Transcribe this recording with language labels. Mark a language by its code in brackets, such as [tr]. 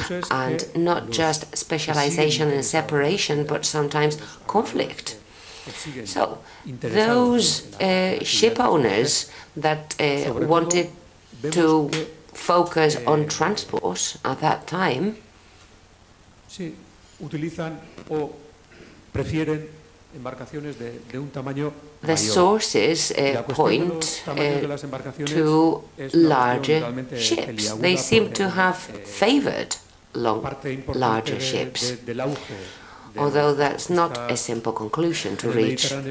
[en] And not just specialization and separation, but sometimes conflict. So those ship owners that wanted to focus on transport at that time, [es] sí, utilizan o prefieren embarcaciones de un tamaño mayor. [en] The sources point to larger ships. They seem to have favored larger ships, although that's not a simple conclusion to reach.